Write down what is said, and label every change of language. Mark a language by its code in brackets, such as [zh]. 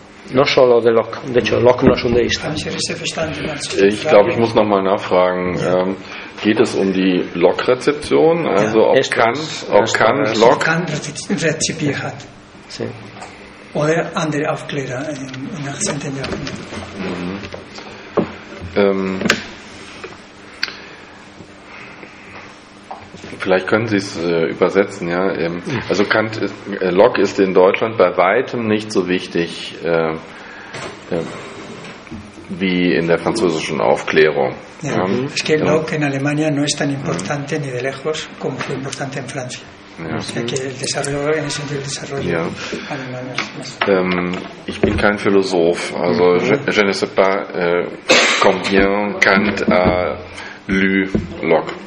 [es] No solo de Locke, de hecho Locke no es un deísta. [de] Ich glaube, ich muss noch mal nachfragen, geht es um die Locke-Rezeption, also ob Kant Locke hat. [es] Sí. [de] Oder andere Aufklärer in 18. Jahrhundert. Vielleicht können Sie es übersetzen, ja. Also Kant Locke ist in Deutschland bei weitem nicht so wichtig wie in der französischen Aufklärung. [es] Ja, es que Locke en Alemania no es tan importante ni de lejos como fue importante en Francia. [de] Ich bin kein Philosoph, also [fr] je ne sais pas combien Kant a lu Locke.